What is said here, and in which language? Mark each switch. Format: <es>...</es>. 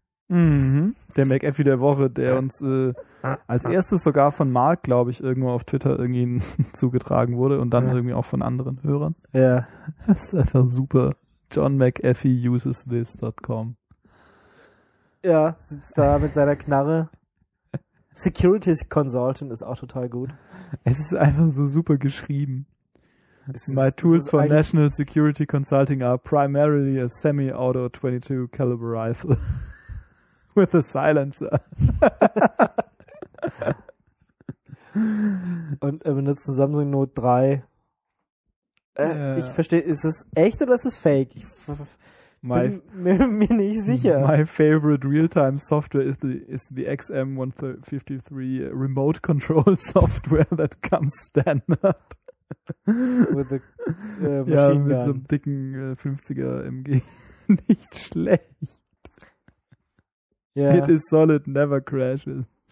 <de>Der McAfee der Woche, der uns als erstes sogar von Mark, glaube ich, irgendwo auf Twitter irgendwie zugetragen wurde und dann irgendwie auch von anderen Hörern. Ja. Das ist einfach super.</de> <en>John McAfee uses this.com.</en> <de>Ja, sitzt da mit seiner Knarre. Security Consultant ist auch total gut. Es ist einfach so super geschrieben.</de> <en>My tools for National Security Consulting are primarily a semi-auto 22 caliber rifle. With a silencer.</en> <de>Und er benutzt ein Samsung Note 3.</de> <en>Yeah.</en> <de>Ich verstehe, ist es echt oder ist es fake? Ich bin mir nicht sicher.</de> <en>My favorite real-time software is the XM153 remote control software that comes standard. With the machine gun.</en> <de>Mit so einem dicken 50er MG. Nicht schlecht. Yeah.</de> <en>It is solid, never crashes.</en>